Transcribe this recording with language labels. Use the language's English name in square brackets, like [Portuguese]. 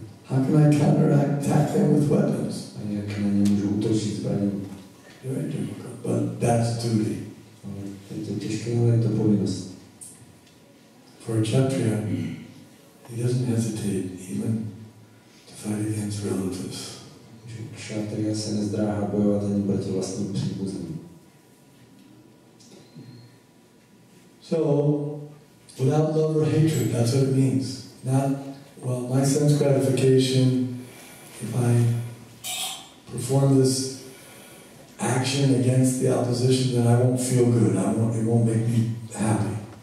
[English] How can I counterattack them with weapons? [Czech] A jak na ně můžu útočit zbraním? [English] Very difficult, but that's duty. [Czech] Je to těžké, ale je to povinnost. [English] For a Kshatriya, he doesn't hesitate even to fight against relatives. [Czech] Kshatriya se nezdráhá bojovat ani proti vlastním příbuzným. [English] So, without love or hatred, that's what it means. Not, well, my sense gratification, if I perform this action against the opposition, then I won't feel good, it won't make me happy.